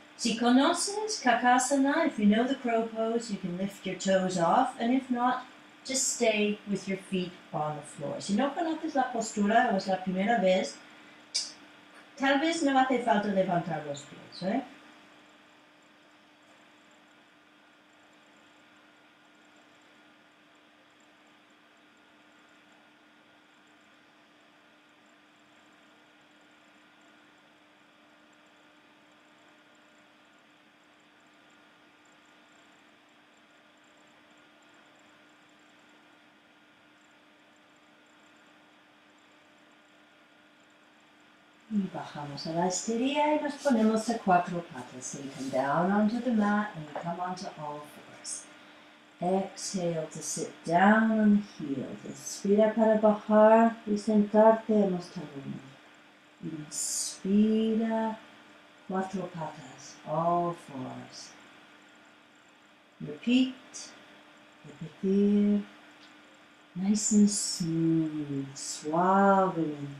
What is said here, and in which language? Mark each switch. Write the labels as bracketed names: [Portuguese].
[Spanish] Si conoces [English] kakasana, if you know the crow pose, you can lift your toes off, and if not, just stay with your feet on the floor. [Spanish] Si no conoces la postura, o es la primera vez, tal vez no hace falta levantar los pies, Y bajamos a la estería y nos ponemos a cuatro patas. [English] So you come down onto the mat and you come onto all fours. Exhale to sit down on the heels. [Spanish] Inspira para bajar y sentarte en los talones. Inspira, cuatro patas, [English] all fours. Repeat, repetir. Nice and smooth, suave.